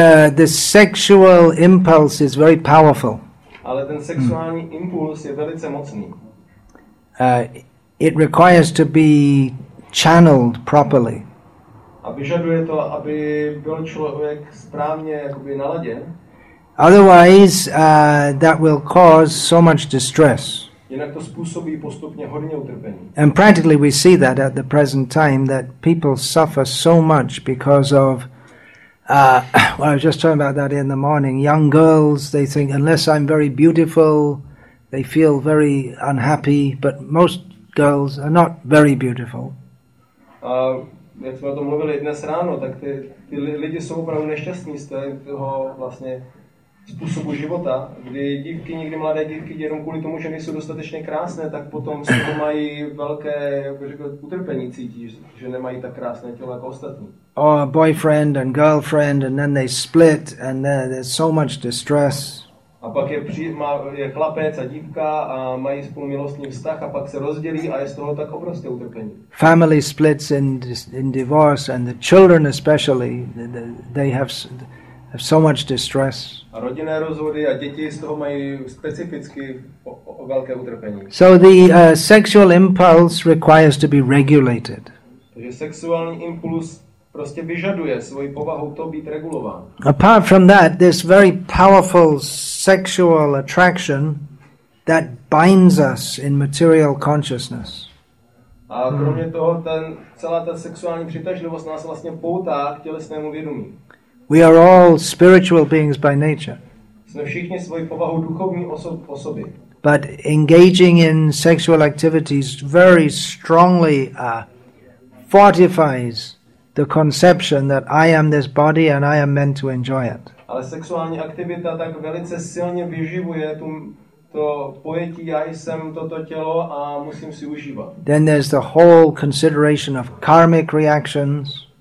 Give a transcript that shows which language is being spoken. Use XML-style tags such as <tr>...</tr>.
<en>The sexual impulse is very powerful.</en> <cs>Ale ten sexuální impuls je velice mocný.</cs> <en>It requires to be channeled properly.</en> <cs>A vyžaduje to, aby byl člověk správně jakoby naladěn.</cs> <en>Otherwise, that will cause so much distress.</en> <cs>Jinak to způsobí postupně hodně utrpení.</cs> <en>And practically we see that at the present time, that people suffer so much because of, I was just talking about that in the morning, young girls, they think, unless I'm very beautiful, they feel very unhappy, but most girls are not very beautiful.</en> <cs>Jak jsme o tom mluvili dnes ráno, tak ty lidi jsou opravdu nešťastní z toho vlastně způsobu života, kdy dívky, někdy mladé dívky, jenom kvůli tomu, že nejsou dostatečně krásné, tak potom z toho mají velké, jak bych řekl, utrpení, cítí, že nemají tak krásné tělo jako ostatní.</cs> <en>Or a boyfriend and girlfriend and then they split and there's so much distress.</en> <cs>A pak je chlapec a dívka a mají spolu milostný vztah a pak se rozdělí a je z toho tak obrovské utrpení.</cs> <en>Family splits in divorce and the children especially, they have so much distress.</en> <cs>A rodinné rozvody a děti z toho mají specificky o velké utrpení.</cs> <en>So the sexual impulse requires to be regulated.</en> <cs>Takže sexuální impuls prostě vyžaduje svoji povahu to být regulován.</cs> <en>Apart from that, this very powerful sexual attraction that binds us in material consciousness.</en> <cs>A kromě toho, celá ta sexuální přitažlivost nás vlastně poutá k tělesnému vědomí.</cs> <en>We are all spiritual beings by nature.</en> <cs>Jsme všichni svoji povahu duchovní osoby.</cs> <en>But engaging in sexual activities very strongly fortifies the conception that I am this body and I am meant to enjoy it.</en> <cs>Ale sexuální aktivita tak velice silně vyživuje to pojetí, já jsem toto tělo a musím si užívat.</cs> <en>Then there's the whole consideration of karmic reactions.</en>